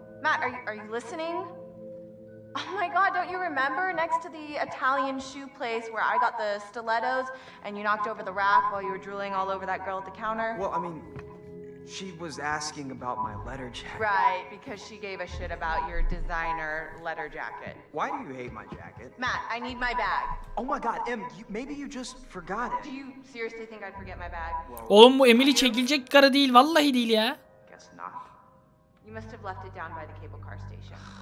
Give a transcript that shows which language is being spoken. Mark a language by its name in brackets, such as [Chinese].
[English] Matt, are you listening? Oh my god, don't you remember next to the Italian shoe place where I got the stilettos and you knocked over the rack while you were drooling all over that girl at the counter? Well, I mean, she was asking about my letter jacket. Right, because she gave a shit about your designer letter jacket. Why do you hate my jacket? Matt, I need my bag. Oh my god, Em, maybe you just forgot it. Do you seriously think I'd forget my bag? [Turkish] Oğlum bu Emily çekilecek karı değil, vallahi değil ya. [English] Guess not. You must have left it down by the cable car station.